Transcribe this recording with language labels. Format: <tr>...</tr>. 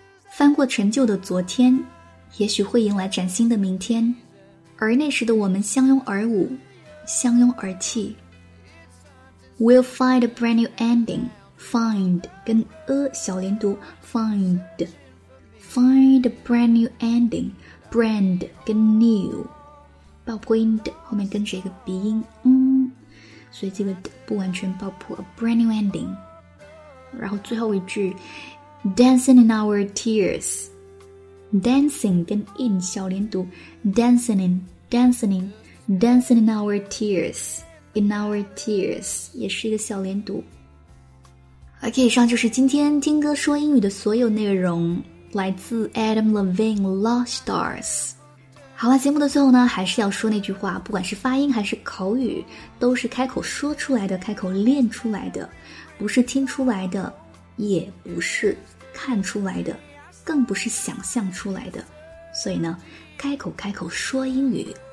<zh>翻过陈旧的昨天也许会迎来崭新的明天而那时的我们相拥而舞相拥而泣</zh> <en>We'll find a brand new ending</en> <zh>Find 跟 a 小连读</zh> <en>Find a brand new ending. Brand 跟 new.</en> <zh>爆破音的后面跟着一个鼻音。所以这个不完全爆破。</zh> <en>A brand new ending.</en> <zh>然后最后一句</zh> <en>Dancing in our tears. Dancing 跟 in</en> <zh>小连读</zh> <en>Dancing in our tears. In our tears.</en> <zh>也是一个小连读。 OK, 以上就是今天听歌说英语的所有内容。来自 Adam Levine Lost Stars 好了节目的最后呢还是要说那句话不管是发音还是口语都是开口说出来的开口练出来的不是听出来的也不是看出来的更不是想象出来的所以呢开口说英语</zh>